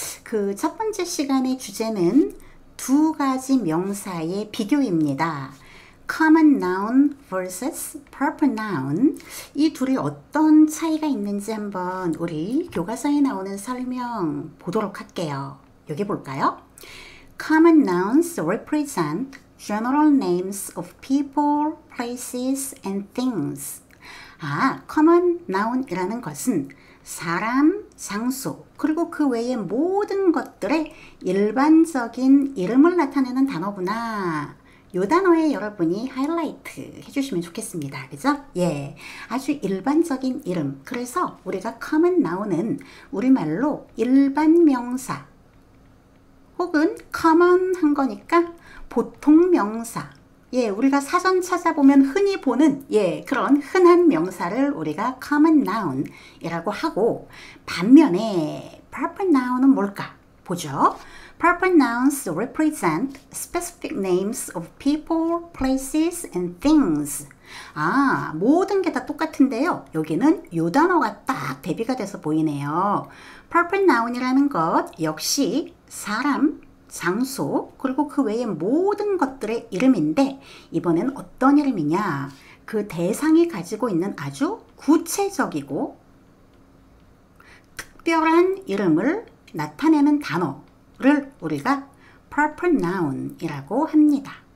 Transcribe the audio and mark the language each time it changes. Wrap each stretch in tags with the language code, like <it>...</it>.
<ko>그첫 번째 시간의 주제는 두 가지 명사의 비교입니다.</ko> <en>Common noun versus proper noun.</en> <ko>이 둘이 어떤 차이가 있는지 한번 우리 교과서에 나오는 설명 보도록 할게요. 여기 볼까요?</ko> <en>Common nouns represent General names of people, places, and things.</en> <ko>아, common noun이라는 것은 사람, 장소, 그리고 그 외의 모든 것들의 일반적인 이름을 나타내는 단어구나. 요 단어에 여러분이 하이라이트 해주시면 좋겠습니다. 그죠? 예. 아주 일반적인 이름. 그래서 우리가</ko> <en>common noun</en> <ko>은 우리말로 일반 명사 혹은 common 한 거니까 보통 명사. 예, 우리가 사전 찾아보면 흔히 보는, 예, 그런 흔한 명사를 우리가</ko> <en>common noun</en> <ko>이라고 하고, 반면에 proper noun은 뭘까? 보죠.</ko> <en>Proper nouns represent specific names of people, places, and things.</en> <ko>아, 모든 게다 똑같은데요. 여기는 요 단어가 딱 대비가 돼서 보이네요.</ko> <en>Proper noun</en> <ko>이라는 것, 역시 사람, 장소, 그리고 그 외의 모든 것들의 이름인데, 이번엔 어떤 이름이냐? 그 대상이 가지고 있는 아주 구체적이고 특별한 이름을 나타내는 단어를 우리가</ko> <en>proper noun</en> <ko>이라고 합니다.</ko>